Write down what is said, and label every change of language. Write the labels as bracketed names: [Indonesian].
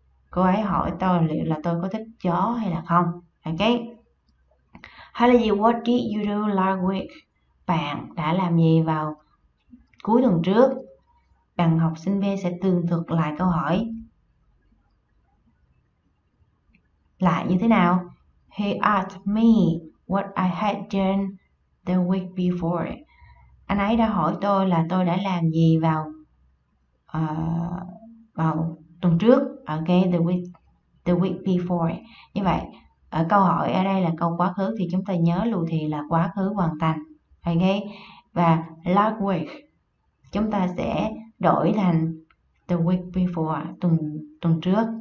[Vietnamese] Cô ấy hỏi tôi liệu là tôi có thích chó hay là không. Ok. Hay là gì? [English] What did you do last week? [Vietnamese] Bạn đã làm gì vào cuối tuần trước? Bạn học sinh B sẽ tường thuật lại câu hỏi lại như thế nào? [English] He asked me what I had done the week before. [Vietnamese] Anh ấy đã hỏi tôi là tôi đã làm gì vào vào tuần trước. Ok, [English] the week before. [Vietnamese] Như vậy, ở câu hỏi ở đây là câu quá khứ thì chúng ta nhớ lùi thì là quá khứ hoàn thành. Ok, và [English] last week [Vietnamese] chúng ta sẽ đổi thành [English] the week before, [Vietnamese] tuần trước.